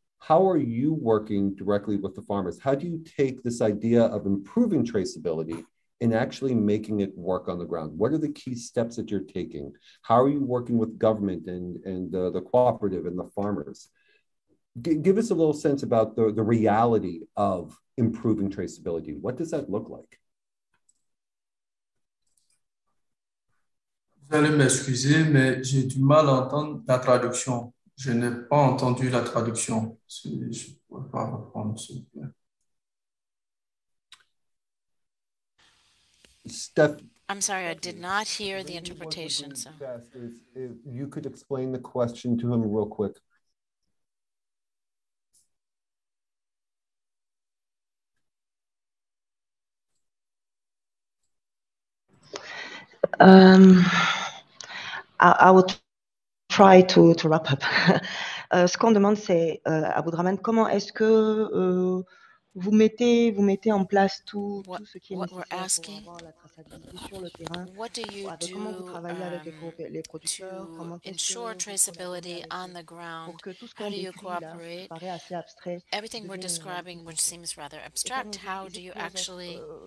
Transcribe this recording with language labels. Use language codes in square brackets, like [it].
[en] How are you working directly with the farmers? How do you take this idea of improving traceability and actually making it work on the ground? What are the key steps that you're taking? How are you working with government and the cooperative and the farmers? Give us a little sense about the reality of improving traceability. What does that look like? [fr] Vous allez m'excuser, mais j'ai du mal à entendre la traduction. Je n'ai pas entendu la traduction. Je ne pourrais pas reprendre, s'il vous plaît. [en] I'm sorry, I did not hear the interpretation. So, if you could explain the question to him real quick. I will try to wrap up. [fr] Ce qu'on demande, c'est à Abdourahman, comment est-ce que vous mettez en place tout ce qui est nécessaire pour avoir la traçabilité sur le terrain, comment vous travaillez avec les producteurs, comment [en] ensure traceability on the ground, [fr] pour que tout ce qu'on décrit là, qui paraît assez abstrait, [en] everything we're describing, which seems rather abstract, how do you actually